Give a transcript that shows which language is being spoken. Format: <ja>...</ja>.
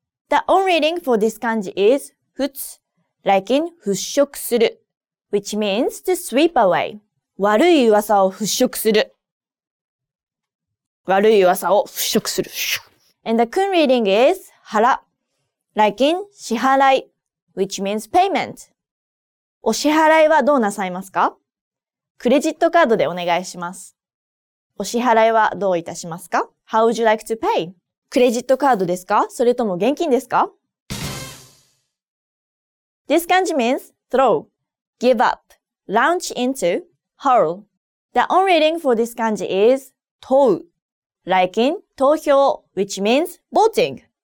<en>The on reading for this kanji is futsu, like in fushoku suru, which means to sweep away.</en> <ja>Warui uwasa wo fushoku suru. Warui uwasa wo fushoku suru.</ja> <en>And the kun reading is hara, like in shiharai, which means payment.</en> <ja>お支払いはどうなさいますか?クレジットカードでお願いします。お支払いはどういたしますか?</ja> <en>How would you like to pay?</en> <ja>クレジットカードですか? それとも現金ですか?</ja> <en>This kanji means throw, give up, launch into, hurl. The on reading for this kanji is 投う, like in 投票, which means voting.</en>